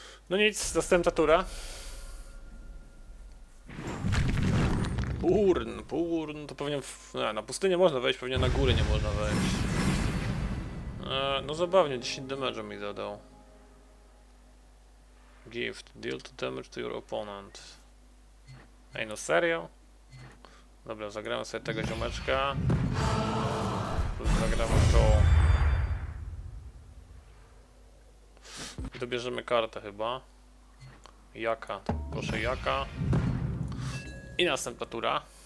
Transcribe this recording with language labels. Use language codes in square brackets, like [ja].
[pl] No nic, następna tura. Burn, to pewnie na pustynię można wejść, pewnie na góry nie można wejść. No zabawnie, 10 damage mi zadał. [en] Gift, deal to damage to your opponent. [pl] Ej, no serio? Dobra, zagramy sobie tego ziomeczka. Zagramy to. Dobierzemy kartę chyba. Jaka? Proszę, jaka? I następna tura.